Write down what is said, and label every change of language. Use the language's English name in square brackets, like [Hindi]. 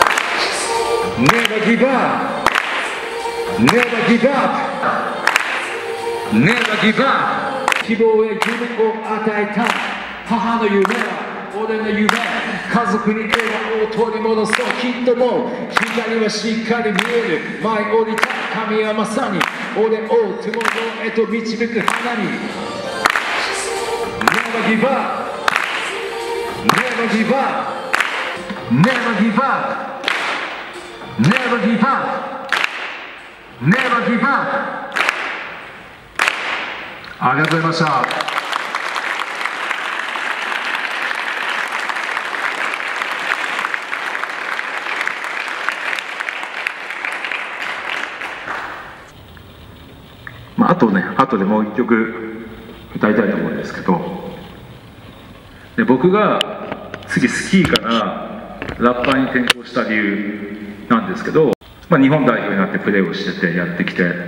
[English] ネバーギブアップ、ネバーギブアップ、ネバーギブアップ、 [Japanese] 希望へ夢を与えた母の夢は俺の夢、家族に笑顔を取り戻そう、きっともう光はしっかり見える、舞い降りた神はまさに俺をトゥモローへと導く花に。 [English] Never give up, Never give up, Never give up, Never give up, Never give up。 [Japanese] ありがとうございました。まあ、あとね、あとでもう一曲歌いたいと思うんですけど、で僕が次スキーからラッパーに転向した理由なんですけど、まあ、日本代表になってプレーをしててやってきて、